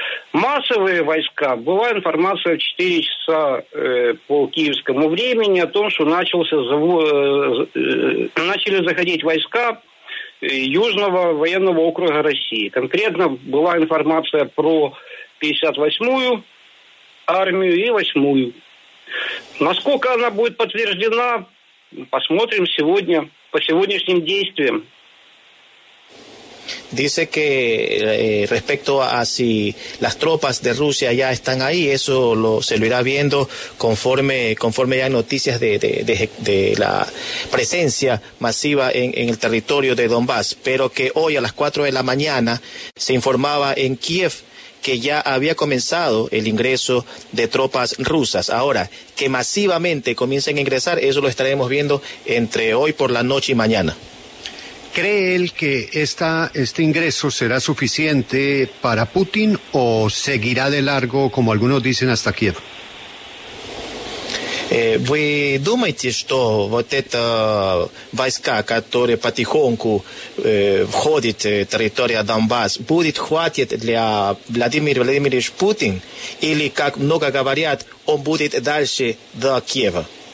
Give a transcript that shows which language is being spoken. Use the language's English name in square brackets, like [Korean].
[Russian] Массовые войска, была информация в 4 часа по киевскому времени о том, что начали заходить войска Южного военного округа России. Конкретно была информация про 58-ю армию и 8-ю. Насколько она будет подтверждена, посмотрим сегодня по сегодняшним действиям. [Spanish] Dice que respecto a si las tropas de Rusia ya están ahí, eso se lo irá viendo conforme ya hay noticias de la presencia masiva en el territorio de Donbass, pero que hoy a las 4 de la mañana se informaba en Kiev que ya había comenzado el ingreso de tropas rusas. Ahora, que masivamente comiencen a ingresar, eso lo estaremos viendo entre hoy por la noche y mañana. ¿Cree él que este ingreso será suficiente para Putin o seguirá de largo, como algunos dicen, hasta Kiev? [Russian] Вы думаете, что вот это войска, которые потихоньку входят в территорию Донбасс, будет хватит для Владимира Владимировича Путина? Или, как много говорят, он будет дальше до Киева?